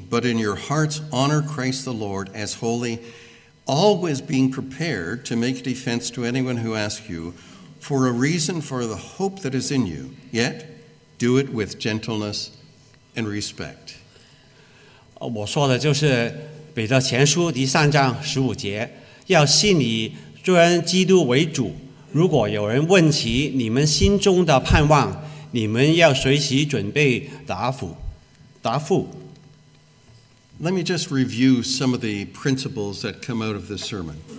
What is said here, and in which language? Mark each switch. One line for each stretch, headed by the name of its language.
English: but in your hearts honor Christ the Lord as holy, always being prepared to make defense to anyone who asks you for a reason for the hope that is in you, yet do it with gentleness and respect.
Chinese: 我说的就是彼得前书第3章15节，要信你 尊基督为主，如果有人问起你们心中的盼望，你们要随时准备答复。
English: Let me just review some of the principles that come out of this sermon.